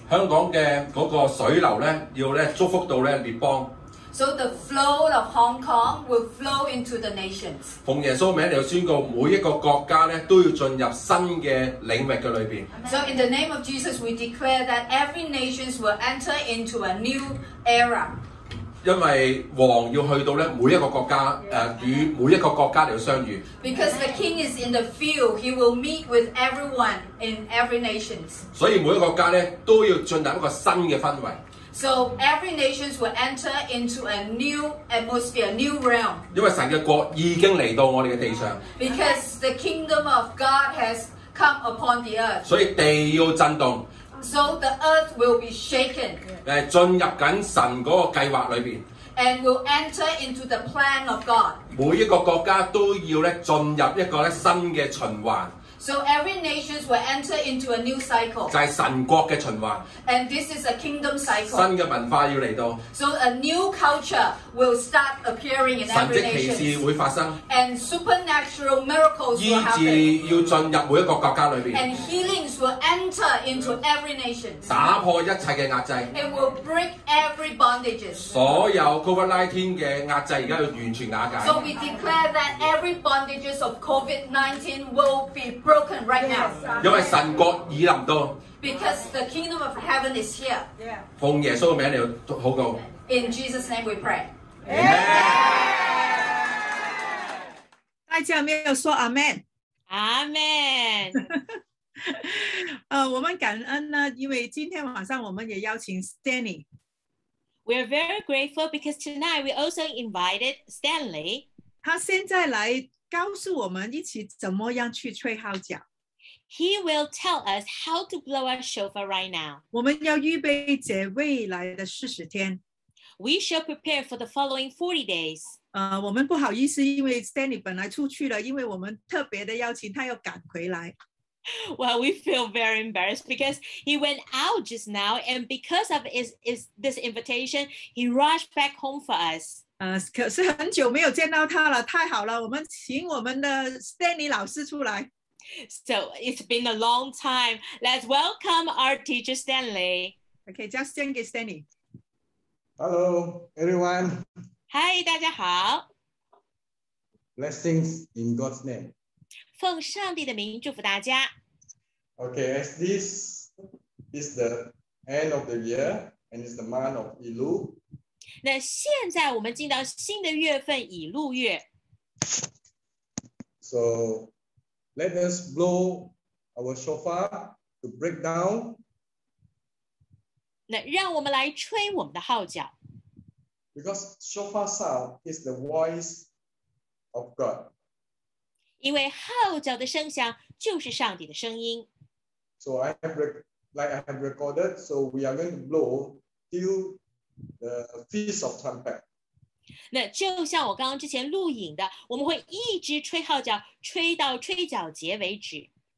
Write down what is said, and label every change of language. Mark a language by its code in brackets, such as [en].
[zh] 香港的水流要祝福到列邦。 [en] So the flow of Hong Kong will flow into the nations. [zh] 奉耶稣名，你宣告每一个国家都要进入新的领域里面。 [en] So in the name of Jesus, we declare that every nation will enter into a new era. [zh] 因为王要去到每一个国家，与每一个国家相遇。 [en] Because the king is in the field, he will meet with everyone in every nation. [zh] 所以每一个国家都要进入一个新的氛围。 [en] So every nation will enter into a new atmosphere, a new realm. [zh] 因为神的国已经来到我们的地上。 [en] Because the kingdom of God has come upon the earth. [zh] 所以地要震动。 [en] So the earth will be shaken. [zh] 进入紧神嗰个计划里边。 [en] And will enter into the plan of God. [zh] 每一个国家都要咧进入一个咧新嘅循环。 [en] So every nation will enter into a new cycle. [zh] 就是神国的循环。 [en] And this is a kingdom cycle. [zh] 新的文化要来到。 [en] So a new culture will start appearing in every nation. [zh] 神迹奇事会发生。 [en] And supernatural miracles will happen. [zh] 医治要进入每一个国家里面。 [en] And healings will enter into every nation. [zh] 打破一切的压制。 [en] It will break every bondages. [zh] 所有 COVID-19 的压制现在要完全瓦解。 [en] So we declare that every bondages of COVID-19 will be broken right now. [zh] 因为神国已临到。 [en] Because the kingdom of heaven is here. [zh] 奉耶稣的名来祷告。 [en] In Jesus' name we pray. Amen. [zh] 大家没有说 Amen? [en] Amen. [zh] 我们感恩呢，因为今天晚上我们也邀请 Stanley. [en] We are very grateful because tonight we also invited Stanley. [zh] 他现在来告诉我们一起怎么样去吹号角。 [en] He will tell us how to blow our shofar right now. [zh] 我们要预备这未来的40天。 [en] We shall prepare for the following 40 days. [zh] 我们不好意思，因为 Stanley 本来出去了，因为我们特别的邀请他要赶回来。 [en] Well, we feel very embarrassed because he went out just now, and because of his this invitation, he rushed back home for us. [zh] 可是很久没有见到他了，太好了，我们请我们的 Stanley 老师出来。 [en] So it's been a long time. Let's welcome our teacher Stanley. Okay, just [zh] 先给 [en] Stanley. Hello, everyone. Hi, [zh] 大家好。 [en] Blessings in God's name. [zh] 奉上帝的名祝福大家。 [en] Okay, as this is the end of the year and it's the month of Elul. [zh] 那现在我们进到新的月份以路月。 [en] So let us blow our shofar to break down. [zh] 那让我们来吹我们的号角。 [en] Because shofar sound is the voice of God. [zh] 因为号角的声响就是上帝的声音。 [en] So I have recorded, so we are going to blow till. The Feast of Trumpet. [zh] 那就像我刚刚之前录影的，我们会一直吹号角，吹到吹角节为止。